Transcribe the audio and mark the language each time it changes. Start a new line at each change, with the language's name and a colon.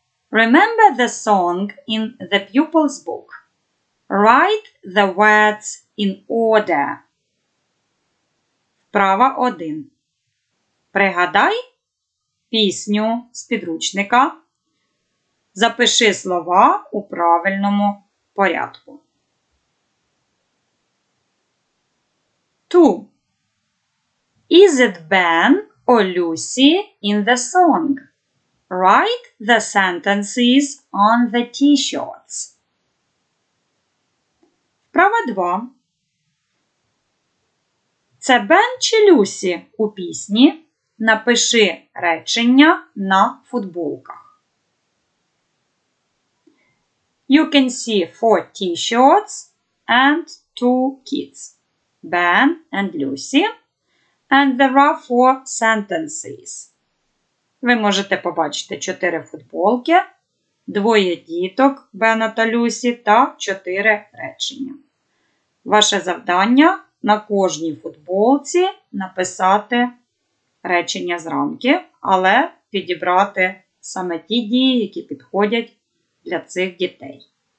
English: Remember the song in the pupil's book. Write the words in order.
Ukrainian: Вправа 1. Пригадай пісню з підручника. Запиши слова у правильному порядку. 2.
English: Is it Ben or Lucy in the song? Write the sentences on the t-shirts.
Ukrainian: Вправа 2. Це Бен чи Люсі у пісні? Напиши речення на футболках.
English: You can see 4 t-shirts and 2 kids. Ben and Lucy. And there are 4 sentences.
Ukrainian: Ви можете побачити 4 футболки, 2 діток Бена та Люсі та 4 речення. Ваше завдання – на кожній футболці написати речення з рамки, але підібрати саме ті дії, які підходять для цих дітей.